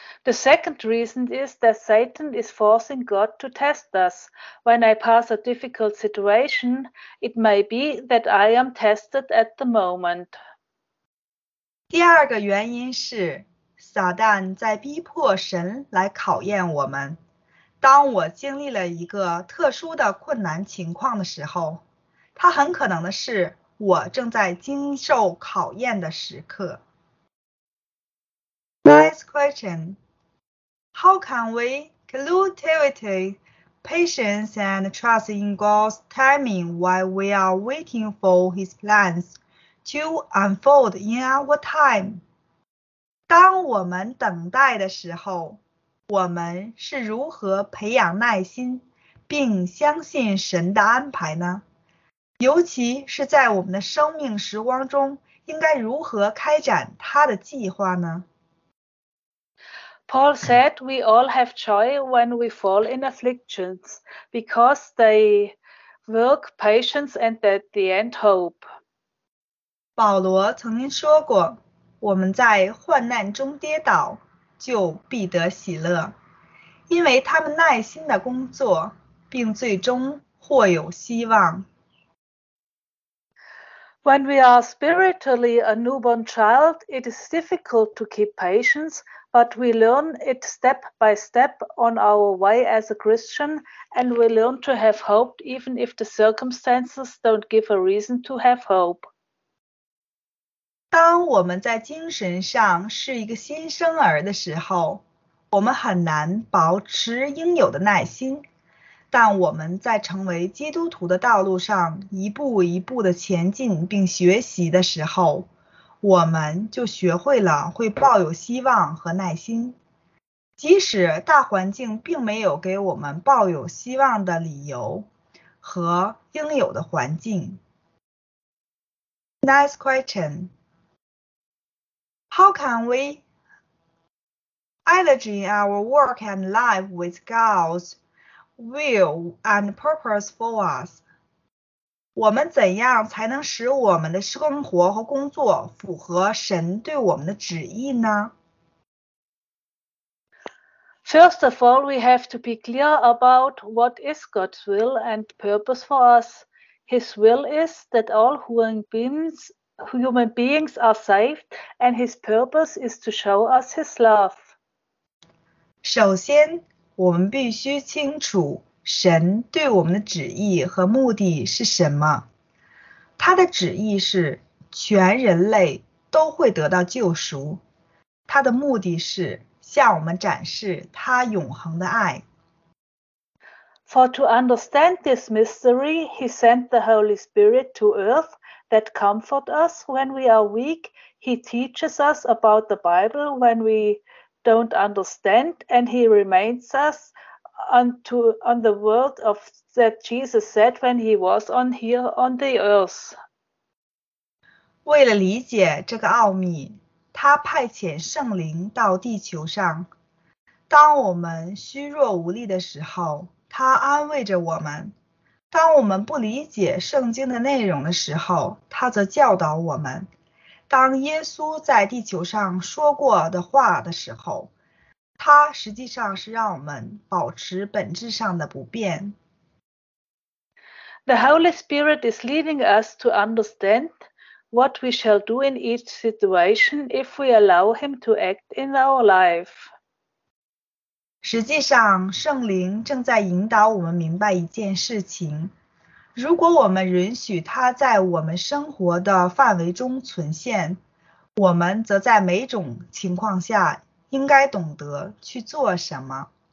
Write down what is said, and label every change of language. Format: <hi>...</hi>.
<en>The second reason is that Satan is forcing God to test us. When I pass a difficult situation, it may be that I am tested at the moment.</en> <zh>第二个原因是撒旦在逼迫神来考验我们。当我经历了一个特殊的困难情况的时候，它很可能的是我正在经受考验的时刻。</zh> <en>Nice question. How can we cultivate patience and trust in God's timing while we are waiting for His plans to unfold in our time?</en> <zh>当我们等待的时候，我们是如何培养耐心并相信神的安排呢？尤其是在我们的生命时光中，应该如何开展他的计划呢？</zh> <en>Paul said we all have joy when we fall in afflictions because they work patience and at the end hope.</en> <zh>保罗曾经说过，我们在患难中跌倒，就必得喜乐，因为他们耐心的工作，并最终获有希望。</zh> <en>When we are spiritually a newborn child, it is difficult to keep patience, but we learn it step by step on our way as a Christian, and we learn to have hope even if the circumstances don't give a reason to have hope.</en> <zh>当我们在精神上是一个新生儿的时候，我们很难保持应有的耐心，但我们在成为基督徒的道路上一步一步的前进并学习的时候，我们就学会了会抱有希望和耐心，即使大环境并没有给我们抱有希望的理由和应有的环境。</zh> <en>Nice question. How can we align our work and life with God's will and purpose for us?</en> <zh>我们怎样才能使我们的生活和工作符合神对我们的旨意呢？</zh> <en>First of all, we have to be clear about what is God's will and purpose for us. His will is that all human beings are saved, and his purpose is to show us his love.</en> <zh>首先，我们必须清楚神对我们的旨意和目的是什么。他的旨意是全人类都会得到救赎。他的目的是向我们展示他永恒的爱。</zh> <en>For to understand this mystery, he sent the Holy Spirit to earth. That comfort us when we are weak. He teaches us about the Bible when we don't understand, and he reminds us on the word of that Jesus said when he was on here on the earth.</en> <zh>为了理解这个奥秘，他派遣圣灵到地球上。当我们虚弱无力的时候，他安慰着我们。当我们不理解圣经的内容的时候，他则教导我们。当耶稣在地球上说过的话的时候，他实际上是让我们保持本质上的不变。</zh> <en>The Holy Spirit is leading us to understand what we shall do in each situation if we allow him to act in our life.</en> <zh>实际上，圣灵正在引导我们明白一件事情。如果我们允许他在我们生活的范围中存现，我们则在每种情况下应该懂得去做什么。</zh>